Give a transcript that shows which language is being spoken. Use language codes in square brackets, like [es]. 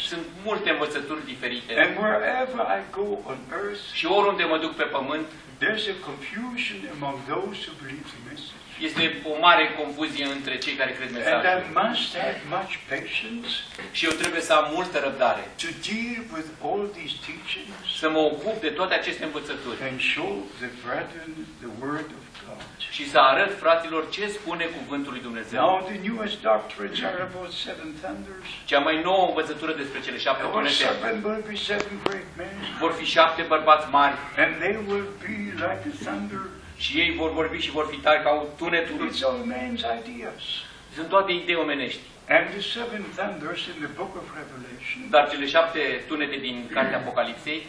[ro] Sunt multe învățături diferite. [en] And wherever I go on earth, [ro] și oriunde mă duc pe pământ, [en] there's a confusion among those who believe the message. [ro] Este o mare confuzie între cei care cred mesajul. [en] And I must have much patience. [ro] Și eu trebuie să am multă răbdare. [en] To deal with all these teachings. [ro] Să mă ocup de toate aceste învățături. [en] And show the brethren the word of God. [ro] Și să arăt fraților ce spune cuvântul lui Dumnezeu. [en] Now the newest doctrines are about seven thunders. [ro] Cea mai nouă învățătură despre cele șapte [en] trâmbițe. Seven will be seven great men. [ro] Vor fi șapte bărbați mari. [en] And they will be like a thunder. [ro] Și ei vor vorbi și vor fi tari ca un tunetul. [en] It's all men's ideas. [ro] Sunt toate idei omenești. [en] And the seven thunders in the book of Revelation. [ro] Dar cele șapte tunete din cartea Apocalipsei.